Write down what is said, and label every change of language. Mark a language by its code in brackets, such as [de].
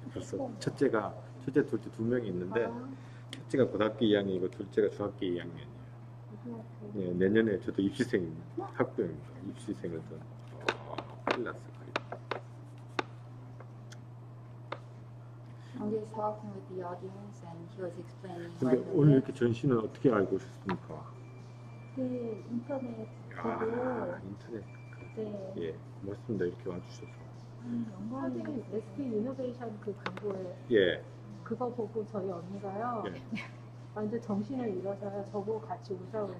[ko] 벌써 첫째 둘째 두 명이 있는데 첫째가 고등학교 2학년이고 둘째가 중학교 2학년이에요. 네, 내년에 저도 입시생입니다. 학부형입니다. 입시생을 또 큰일 났어요. [en] Zhang is talking with the audience and he was explaining. [ko] 근데 오늘 이렇게 전시는 어떻게 알고 오셨습니까? 네, 인터넷 보고. 아, 인터넷. 네. 예, 멋있습니다. 이렇게 와주셔서. 영광이 SK 이노베이션 그 광고에. 예. 그거 보고 저희 언니가요. 예. 완전 정신을 잃어서요. 저보고 같이 웃어요.